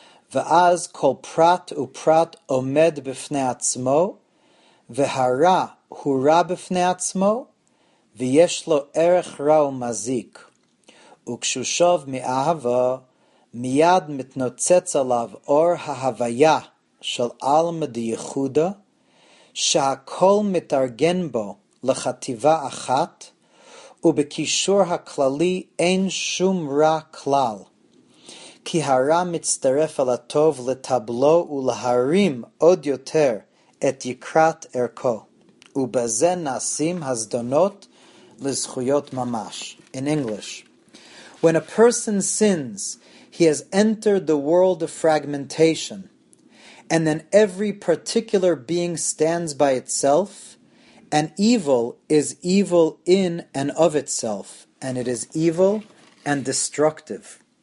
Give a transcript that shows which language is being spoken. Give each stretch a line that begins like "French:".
Hebrew: v'az kol prat uprat omed b'fne atzmo, v'hara hu ra b'fne atzmo, v'yesh lo erech ra u'mazik, u'kshushov mi'ahava, מיד מתנוצץ עליו אור ההוויה של עלמא דייחודה, שהכל מתארגן בו לחטיבה אחת, ובקישור הכללי אין שום רע כלל. כי הרע מצטרף על הטוב לטבלו ולהרים עוד יותר את יקרת ערכו, ובזה נעשים הזדונות לזכויות ממש.
English: In English, when a person sins, he has entered the world of fragmentation, and then every particular being stands by itself, and evil is evil in and of itself, and it is evil and destructive.